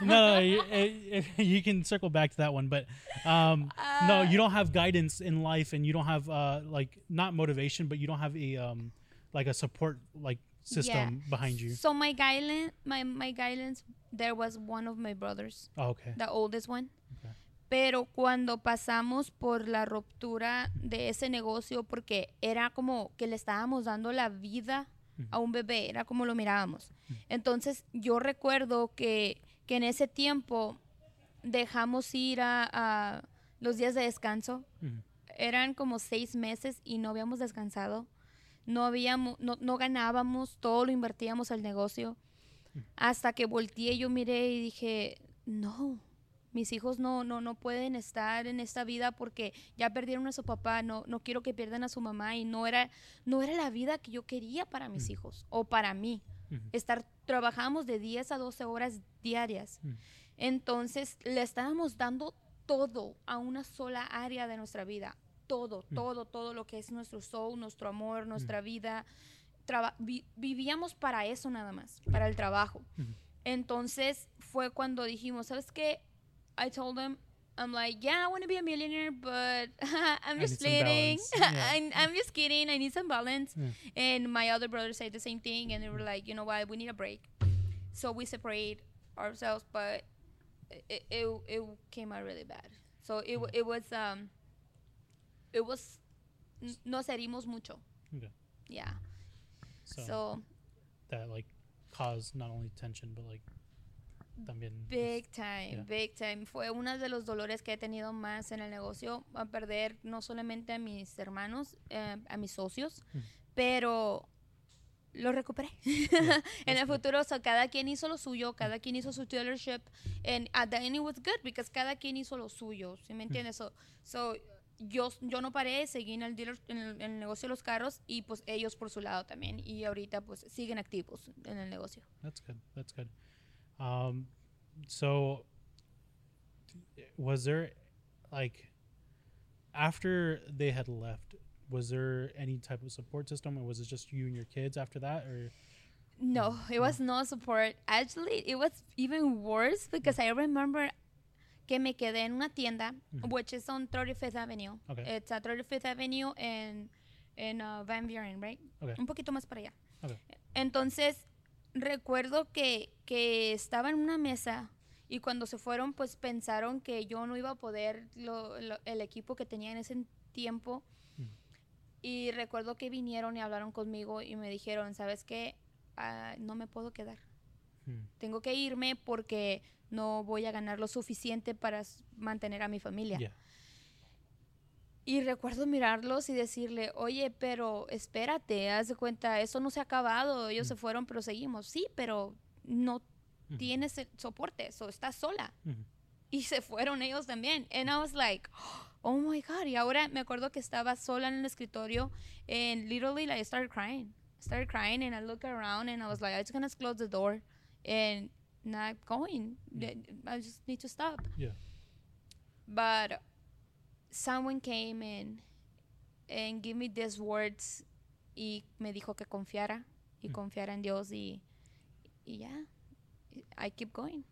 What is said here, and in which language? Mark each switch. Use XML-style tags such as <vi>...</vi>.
<en>No, you can circle back to that one. But no, you don't have guidance in life and you don't have, like, not motivation, but you don't have a... like a support like system behind you. So my guidance there was one of my brothers. Oh, okay. The oldest one. Okay.</en> <es>Pero cuando pasamos por la ruptura de ese negocio, porque era como que le estábamos dando la vida a un bebé, era como lo mirábamos. Entonces yo recuerdo que en ese tiempo dejamos ir a los días de descanso. Eran como 6 meses y no habíamos descansado. No ganábamos, todo lo invertíamos al negocio. Hasta que volteé, yo miré y dije, no, mis hijos no pueden estar en esta vida porque ya perdieron a su papá, no quiero que pierdan a su mamá. Y no era la vida que yo quería para mis hijos o para mí. Estar, trabajábamos de 10 a 12 horas diarias. Entonces, le estábamos dando todo a una sola área de nuestra vida. Todo lo que es nuestro soul, nuestro amor, nuestra vida. Vivíamos para eso nada más, para el trabajo. Entonces fue cuando dijimos, ¿sabes qué?</es> <en>I told them, I'm like, yeah, I want to be a millionaire, but I'm just kidding. Yeah. I'm just kidding, I need some balance. Yeah. And my other brothers said the same thing, and they were like, you know what, we need a break. So we separate ourselves, but it came out really bad. So it was,</en> <es>nos herimos mucho.</es> <en>Okay. Yeah. So. That like caused not only tension, but like también. Big time.</en> <es>Fue uno de los dolores que he tenido más en el negocio. A perder no solamente a mis hermanos, a mis socios, pero lo recuperé. Yeah, en el futuro, so cada quien hizo lo suyo, cada quien hizo su dealership,</es> <en>and at the end it was good because</en> <es>cada quien hizo lo suyo. ¿Sí me entiendes? Yo no paré, seguí en el negocio de los carros y pues ellos por su lado también y ahorita pues siguen activos en el negocio.</es> <en>That's good. So was there like after they had left, was there any type of support system or was it just you and your kids after that or? No, it was no support. Actually, it was even worse because I remember</en> <es>que me quedé en una tienda,</es> <en>which is on 35th Avenue. Okay. It's at 35th Avenue and Van Buren, right? Okay.</en> <es>Un poquito más para allá.</es> <en>Okay.</en> <es>Entonces, recuerdo que estaba en una mesa y cuando se fueron, pues pensaron que yo no iba a poder el equipo que tenía en ese tiempo. Y recuerdo que vinieron y hablaron conmigo y me dijeron, ¿sabes qué? No me puedo quedar. Tengo que irme porque no voy a ganar lo suficiente para mantener a mi familia. Yeah. Y recuerdo mirarlos y decirle, oye, pero espérate, haz de cuenta, eso no se ha acabado, ellos se fueron, pero seguimos. Sí, pero no tienes soporte, so estás sola. Y se fueron ellos también.</es> <en>And I was like, oh my God.</en> <es>Y ahora me acuerdo que estaba sola en el escritorio</es> <en>and literally like, I started crying and I looked around and I was like, I just gonna close the door and not going. I just need to stop. Yeah. But someone came in and gave me these words</en> <es>y me dijo que confiara y confiara en Dios</es> <en>y yeah, I keep going.</en>